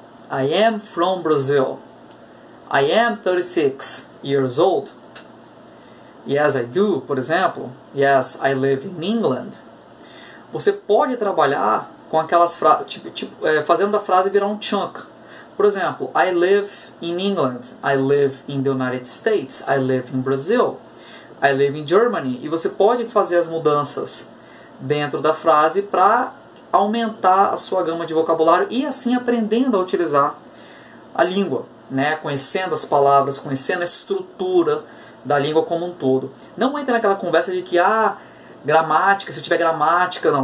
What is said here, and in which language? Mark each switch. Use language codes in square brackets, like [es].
[en] I am from Brazil. I am 36 years old. Yes, I do, [pt] por exemplo. [en] Yes, I live in England. [pt] Você pode trabalhar com aquelas frases, fazendo a frase virar um chunk. Por exemplo, [en] I live in England, I live in the United States, I live in Brazil, I live in Germany. [pt] E você pode fazer as mudanças dentro da frase para aumentar a sua gama de vocabulário e assim aprendendo a utilizar a língua, né? Conhecendo as palavras, conhecendo a estrutura da língua como um todo. Não entra naquela conversa de que há gramática, se tiver gramática, não.